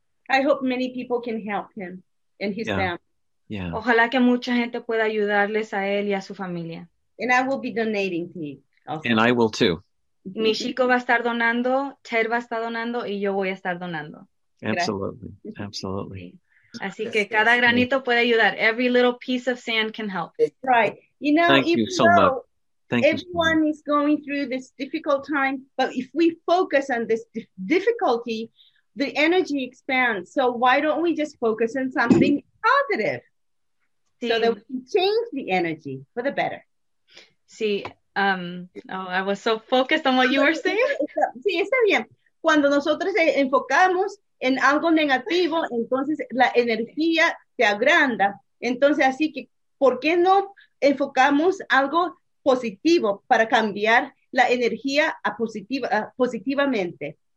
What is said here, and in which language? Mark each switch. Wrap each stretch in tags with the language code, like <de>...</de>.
<en>I hope many people can help him and his family. Yeah.</en> <es>Ojalá que mucha gente pueda ayudarles a él y a su familia.</es> <en>And I will be donating to you. And I will too.</en> <es>Mi chico va a estar donando, Ted va a estar donando y yo voy a estar donando.</es> <en>Absolutely. Absolutely.</en> <es>Así que cada granito puede ayudar.</es> <en>Every little piece of sand can help. Right. Thank you so much. Is going through this difficult time, but if we focus on this difficulty, the energy expands. So why don't we just focus on something positive?</en> <es>Sí.</es> <en>So that we can change the energy for the better.</en> <es>Sí.</es> <en>I was so focused on what you were saying.</en> <es>Sí, está bien. Cuando nosotros enfocamos en algo negativo, entonces la energía se agranda. Entonces, así que, ¿por qué no enfocamos algo positivo para cambiar la energía a positiva, positivamente?</es>